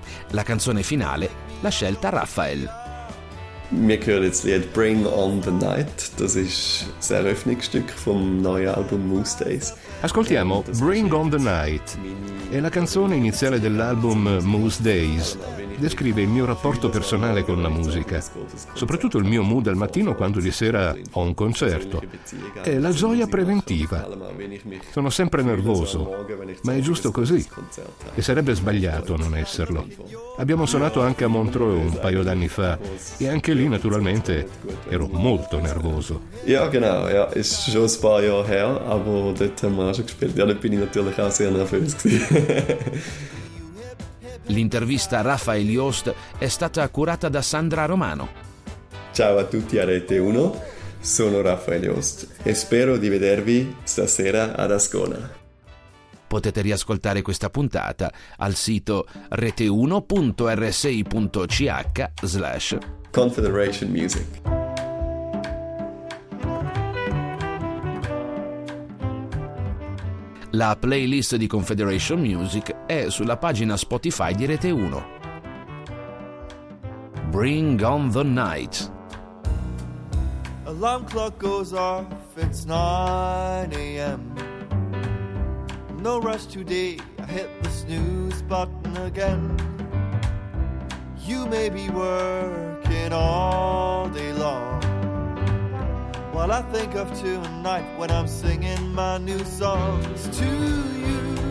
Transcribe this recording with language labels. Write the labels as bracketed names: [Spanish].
[Italian] La canzone finale l'ha scelta Raphael. [German] Wir hören jetzt Lied Bring On The Night, das ist das Eröffnungsstück vom neuen Album Moose Days. [Italian] Ascoltiamo Bring On The Night, è la canzone iniziale dell'album Moose Days, descrive il mio rapporto personale con la musica, soprattutto il mio mood al mattino quando di sera ho un concerto. È la gioia preventiva. Sono sempre nervoso, ma è giusto così. E sarebbe sbagliato non esserlo. Abbiamo suonato anche a Montreux un paio d'anni fa e anche lì naturalmente ero molto nervoso. [German] Ja, genau, ja, ist schon ein paar Jahre her, aber dort haben wir auch schon gespielt. Ja, da bin ich natürlich auch sehr nervös. [Italian] L'intervista a Raphael Yost è stata curata da Sandra Romano. Ciao a tutti a Rete 1, sono Raphael Yost e spero di vedervi stasera ad Ascona. Potete riascoltare questa puntata al sito rete1.rsi.ch/confederationmusic. La playlist di Confederation Music è sulla pagina Spotify di Rete 1. [English] Bring on the night. Alarm clock goes off, it's 9 a.m. No rush today, I hit the snooze button again. You may be working all day long, while I think of tonight when I'm singing my new songs to you.